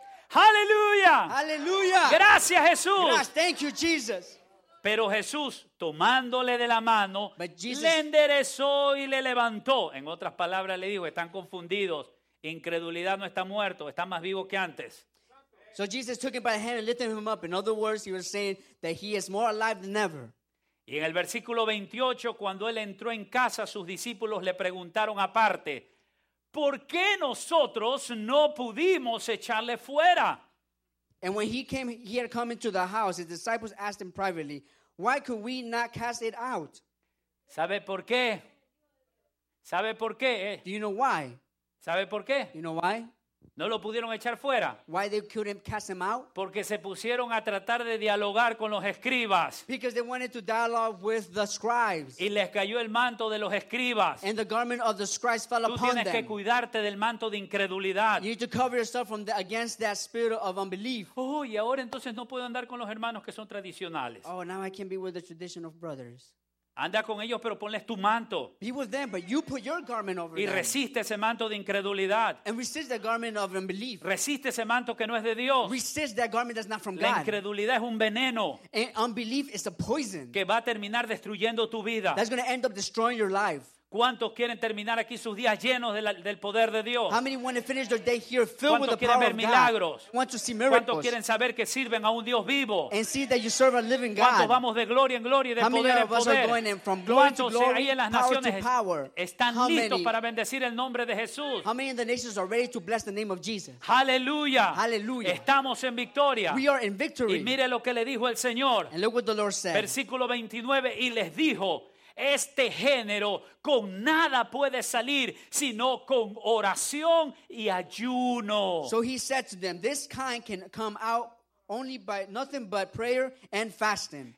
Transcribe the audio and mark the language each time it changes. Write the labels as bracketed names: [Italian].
[Spanish] Aleluya. Aleluya. Gracias, Jesús. Gracias. [English] Thank you, Jesus. [Spanish] Pero Jesús, tomándole de la mano, [English] Jesus, [Spanish] le enderezó y le levantó. En otras palabras, le dijo, están confundidos. Incredulidad no está muerto, está más vivo que antes. [English] So Jesus took him by the hand and lifted him up. In other words, he was saying that he is more alive than ever. [Spanish] Y en el versículo 28, cuando él entró en casa, sus discípulos le preguntaron aparte, ¿por qué nosotros no pudimos echarle fuera? [English] And when he had come into the house, his disciples asked him privately, why could we not cast it out? [Spanish] ¿Sabe por qué? ¿Sabe por qué? [English] Do you know why? [Spanish] ¿Sabe por qué? [English] You know why? [Spanish] No lo pudieron echar fuera. [English] Why they couldn't cast him out? [Spanish] Porque se pusieron a tratar de dialogar con los escribas. [English] Because they wanted to dialogue with the scribes. [Spanish] Y les cayó el manto de los escribas. [English] And the garment of the scribes fell [Spanish] tú [English] upon [Spanish] tienes [English] them. [Spanish] Tienes que cuidarte del manto de incredulidad. [English] You need to cover yourself from against that spirit of unbelief. [Spanish] Oh, y ahora entonces no puedo andar con los hermanos que son tradicionales. [English] Oh, now I can't be with the traditional brothers. [Spanish] Anda con ellos, pero ponles tu manto. [English] Be with them, but you put your garment over [Spanish] y resiste ese manto de incredulidad. [English] And resist the garment of unbelief. [Spanish] Resiste ese manto que no es de Dios. [English] Resist that garment that's not from [Spanish] la [English] God. [Spanish] La incredulidad es un veneno. [English] And unbelief is a poison. [Spanish] Que va a terminar destruyendo tu vida. [English] That's going to end up destroying your life. [Spanish] ¿Cuántos quieren terminar aquí sus días llenos de del poder de Dios? [English] How many want to finish their day here filled with the power of God? [Spanish] ¿Cuántos quieren ver milagros? [English] Want to see miracles? [Spanish] ¿Cuántos quieren saber que sirven a un Dios vivo? [English] And see that you serve a living God. [Spanish] ¿Cuántos vamos de gloria en gloria y de poder en poder? [English] How many of us are going in from glory to glory? [Spanish] ¿Cuántos ahí en las naciones están listos para bendecir el nombre de Jesús? [English] How many in the nations are ready to bless the name of Jesus? [Spanish] Aleluya. Aleluya. Estamos en victoria. [English] We are in victory. [Spanish] Y mire lo que le dijo el Señor. [English] And look what the Lord said. [Spanish] Versículo 29, y les dijo: este género con nada puede salir sino con oración y ayuno. [English] So he said to them, this kind can come out only by nothing but prayer and fasting.